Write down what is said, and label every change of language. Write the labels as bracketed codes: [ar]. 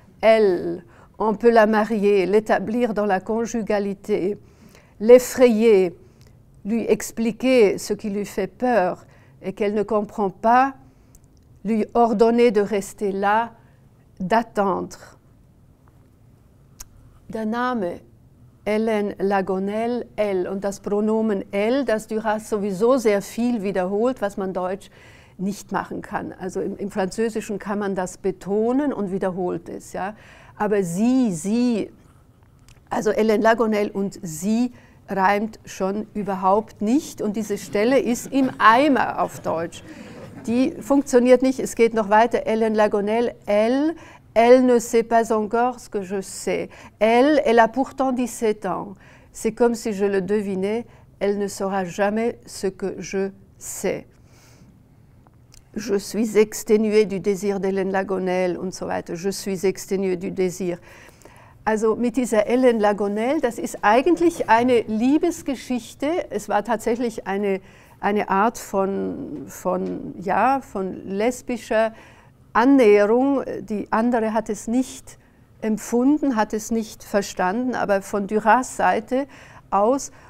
[fr] Elle, on peut la marier, l'établir dans la conjugalité, l'effrayer, lui expliquer ce qui lui fait peur et qu'elle ne comprend pas, lui ordonner de rester là, d'attendre. [de] Der Name Hélène Lagonelle, elle, und das Pronomen elle, das Duras sowieso sehr viel wiederholt, was man deutsch nicht machen kann. Also im Französischen kann man das betonen und wiederholt es. Ja? Aber sie, also Hélène Lagonelle und sie reimt schon überhaupt nicht. Und diese Stelle ist im Eimer auf Deutsch. Die funktioniert nicht, es geht noch weiter. [fr] Hélène Lagonelle, elle, elle ne sait pas encore ce que je sais. Elle, elle a pourtant 17 ans. C'est comme si je le devinais, elle ne saura jamais ce que je sais. Je suis exténué du désir d'Hélène Lagonelle [de] und so weiter. [fr] Je suis exténué du désir. [de] Also mit dieser Hélène Lagonelle, das ist eigentlich eine Liebesgeschichte. Es war tatsächlich eine Art von lesbischer Annäherung. Die andere hat es nicht empfunden, hat es nicht verstanden, aber von Duras Seite aus.